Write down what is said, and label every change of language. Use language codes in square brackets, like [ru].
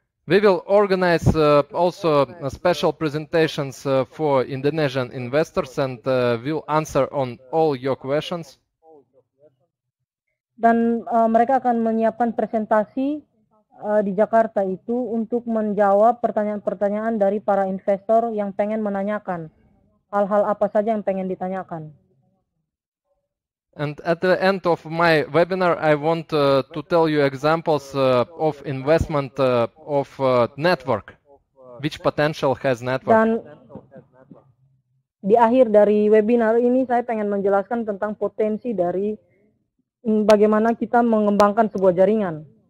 [en] We will organize also special presentations for Indonesian investors and we'll answer on all your questions. [id] Dan mereka akan menyiapkan presentasi di Jakarta itu untuk menjawab pertanyaan-pertanyaan dari para investor yang pengen menanyakan hal-hal apa saja yang pengen ditanyakan. [en] And at the end of my webinar, I want to tell you examples of investment of network, which potential has network. [id] Dan di akhir dari webinar ini, saya pengen menjelaskan tentang potensi dari bagaimana kita mengembangkan sebuah jaringan.